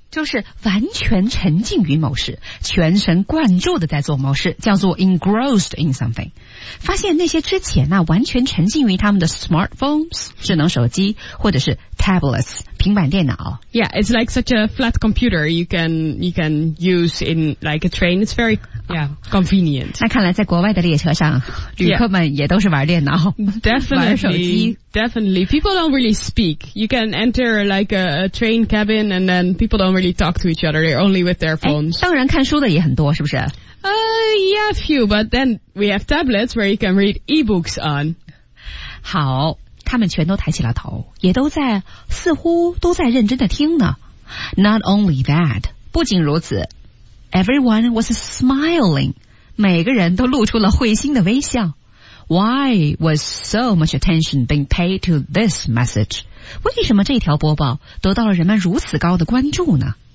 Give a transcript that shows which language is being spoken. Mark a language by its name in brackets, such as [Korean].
[Chinese] 就是完全沉浸于某事，全神贯注地在做某事，叫做 [English] engrossed in something。 [Chinese] 发现那些之前那完全沉浸于他们的 smartphones 智能手机或者是 tablets 平板电脑。 [English] Yeah, it's like such a flat computer you can use in like a train. It's very convenient. [Chinese] 那看来在国外的列车上，旅客们也都是玩电脑、 [English] definitely, [Chinese] 玩手机。 [English] Definitely, people don't really speak. You can enter like a train cabin and then people don't really talk to each other. They're only with their phones. [Chinese] 当然看书的也很多，是不是？ [English] Yeah, a few, but then we have tablets where you can read e-books on. [Chinese] 好，他们全都抬起了头，也都在，似乎都在认真地听呢。 [English] Not only that, [Chinese] 不仅如此， [English] everyone was smiling. [Chinese] 每个人都露出了会心的微笑。 [English] Why was so much attention being paid to this message? [Chinese] 为什么这条播报得到了人们如此高的关注呢？